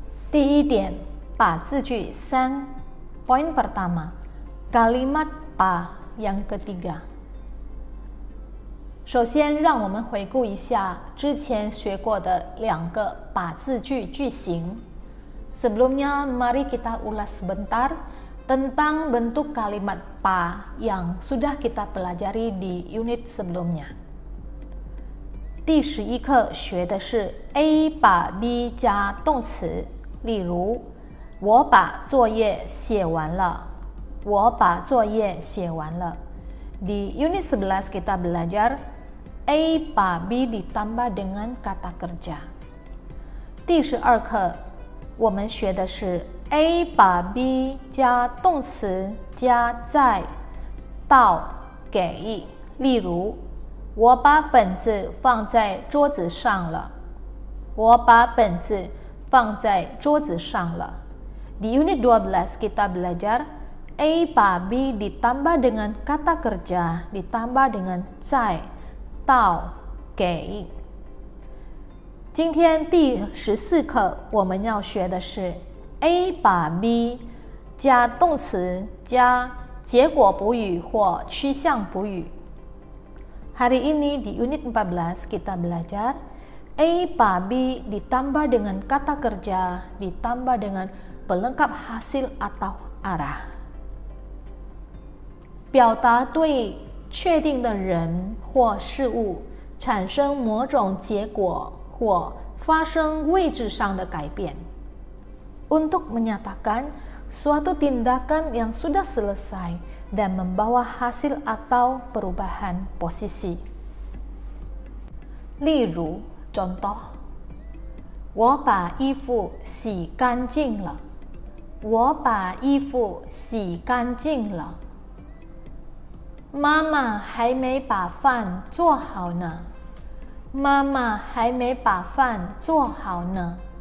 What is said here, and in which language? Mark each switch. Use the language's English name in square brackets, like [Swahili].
[Chinese] 第一点，把字句三 [Indonesian] poin pertama, kalimat pa yang ketiga. [Chinese] 首先让我们回顾一下之前学过的两个把字句句型。 [Indonesian] Sebelumnya mari kita ulas sebentar tentang bentuk kalimat pa yang sudah kita pelajari di unit sebelumnya. [Chinese] 第十一课学的是 A 把 B 加动词，例如我把作业写完了，我把作业写完了。 [Indonesian] Di unit 11 kita belajar A 把 B ditambah dengan kata kerja. [Chinese] 第十二课我们学的是 A 把 B 加动词加在到给，例如我把本子放在桌子上了，我把本子放在桌子上了。 [Indonesian] Di unit 12 kita belajar A 把 B ditambah dengan kata kerja ditambah dengan 在到给。 [Chinese] 今天第十四课我们要学的是 A 把 B 加动词加结果补语或趋向补语。 [Indonesian] Hari ini di unit 14 kita belajar A 把 B ditambah dengan kata kerja ditambah dengan pelengkap hasil atau arah. [Chinese] 表达对确定的人或事物产生某种结果或发生位置上的改变。 [Indonesian] Untuk menyatakan suatu tindakan yang sudah selesai dan membawa hasil atau perubahan posisi. [Chinese] 例如，contoh， 我把衣服洗干净了，我把衣服洗干净了。妈妈还没把饭做好呢，妈妈还没把饭做好呢。